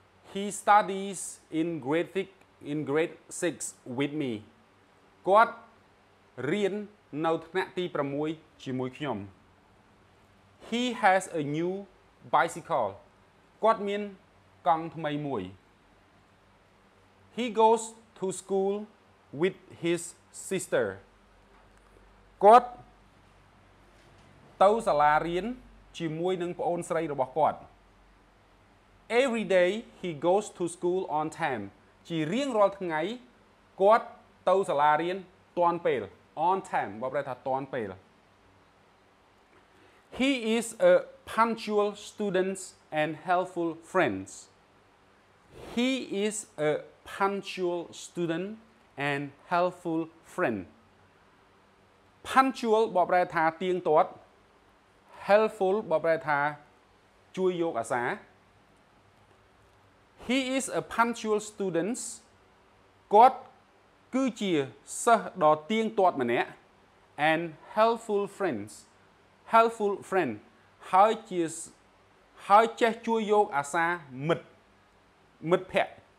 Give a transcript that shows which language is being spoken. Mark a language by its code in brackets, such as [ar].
[en] He studies in grade 6 with me [km] គាត់រៀននៅថ្នាក់ទី6ជាមួយខ្ញុំ [en] He has a new bicycle. [km] គាត់មានកង់ថ្មីមួយ. [en] He goes to school with his sister. [km] គាត់ទៅសាលារៀនជាមួយនឹងប្អូនស្រីរបស់គាត់. [en] Every day he goes to school on time. [km] ជារៀងរាល់ថ្ងៃគាត់ទៅសាលារៀនទាន់ពេល. [en] On time [km] បើប្រែថាទាន់ពេល. [en] He is a punctual student and helpful friend. He is a punctual student and helpful friend. Punctual [km] បកប្រែថាទៀងទាត់ [en] Helpful [km] បកប្រែថាជួយយកអាសា [en] He is a punctual student. [km] គាត់គឺជាសិស្សដ៏ទៀងទាត់ម្នាក់ [en] and helpful friendsHelpful friend [km] ហើយចេះជួយយកអាសាមិត្តភក្តិ